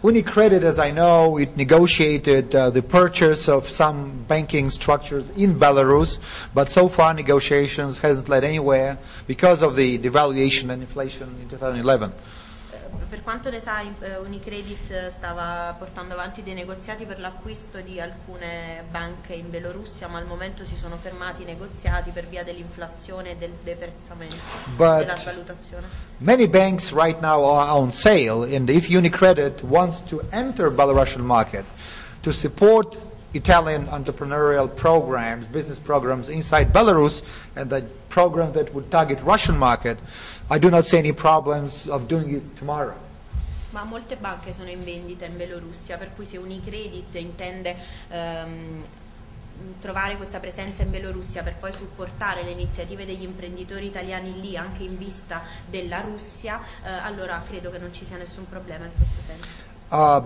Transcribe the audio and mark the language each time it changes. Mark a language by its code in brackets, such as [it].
[en] UniCredit, as I know, it negotiated the purchase of some banking structures in Belarus, but so far negotiations hasn't led anywhere because of the devaluation and inflation in 2011. [it] Per quanto ne sa, UniCredit stava portando avanti dei negoziati per l'acquisto di alcune banche in Bielorussia, ma al momento si sono fermati i negoziati per via dell'inflazione e del deprezzamento della valutazione. [en] Many banks right now are on sale, and if UniCredit wants to enter Belarusian market to support Italian entrepreneurial programs, business programs inside Belarus, and the program that would target Russian market, I do not see any problems of doing it tomorrow. [it] Ma molte banche sono in vendita in Bielorussia, per cui se UniCredit intende trovare questa presenza in Bielorussia per poi supportare le iniziative degli imprenditori italiani lì, anche in vista della Russia, allora credo che non ci sia nessun problema in questo senso.